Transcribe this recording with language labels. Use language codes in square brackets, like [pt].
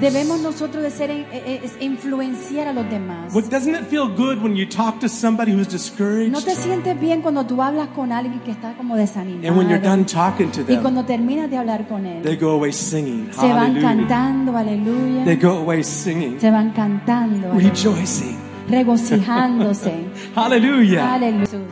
[es] Debemos nosotros de ser influenciar a los demás. [en] But doesn't it feel good when you talk to somebody who's discouraged? [es] ¿No te sientes bien cuando tú hablas con alguien que está como desanimado? [en] And when you're done talking to them. [es] Y cuando terminas de hablar con él. [en] They go away singing. [es] Se van cantando, aleluya. [en] They go away singing. [es] Se van cantando. [en] Rejoicing. [es] Regocijándose. [en] Hallelujah. Hallelujah.